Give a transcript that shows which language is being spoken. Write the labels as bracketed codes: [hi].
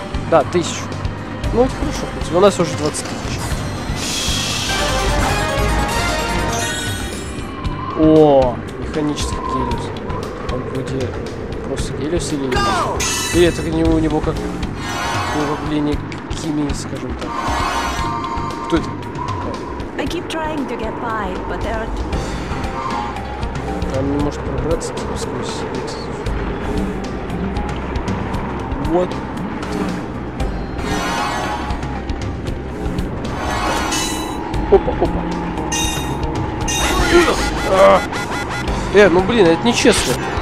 [ru] Да, 1000. Ну вот хорошо, хоть у нас уже 20 тысяч. О, механический Гелиус. Он вроде просто Гелиус или нет? И это не у него как уравление химии, скажем так. Кто это? [en] I keep trying to get by, but there are... [ru] Там не может пробраться типа сквозь. [en] What? [ru] Опа, опа. Ну блин, это нечестно.